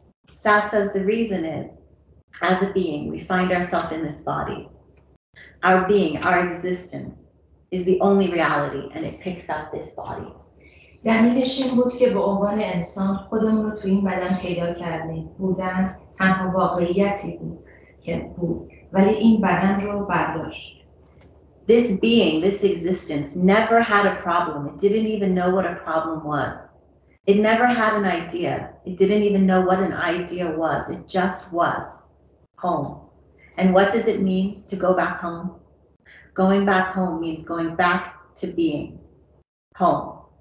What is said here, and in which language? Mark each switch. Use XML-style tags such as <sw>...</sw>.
<en>Sat says the reason is, as a being, we find ourselves in this body. Our being, our existence, is the only reality, and it picks up this body.</en> <fa>دلیلش این بود که به عنوان انسان خودمون رو تو این بدن پیدا کردیم. بودن تنها واقعیتی بود که بود. ولی این بدن رو برداشت.</fa> <en>This being, this existence, never had a problem. It didn't even know what a problem was. It never had an idea. It didn't even know what an idea was. It just was. Home. And what does it mean to go back home? Going back home means going back to being. Home.</en>